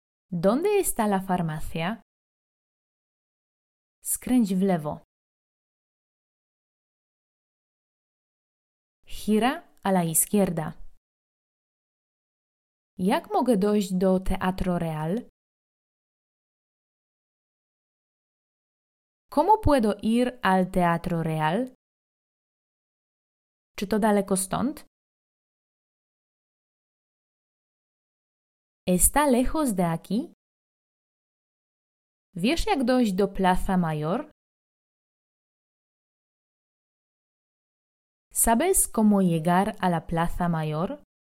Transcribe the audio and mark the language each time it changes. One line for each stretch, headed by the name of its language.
Spanish: ¿Dónde está la farmacia?
Polish: Skręć w lewo.
Spanish: Gira a la izquierda.
Polish: Jak mogę dojść do Teatro Real?
Spanish: ¿Cómo puedo ir al Teatro Real?
Polish: Czy to daleko stąd?
Spanish: ¿Está lejos de aquí?
Polish: ¿Wiesz, jak dojść do Plaza Mayor?
Spanish: ¿Sabes cómo llegar a la Plaza Mayor?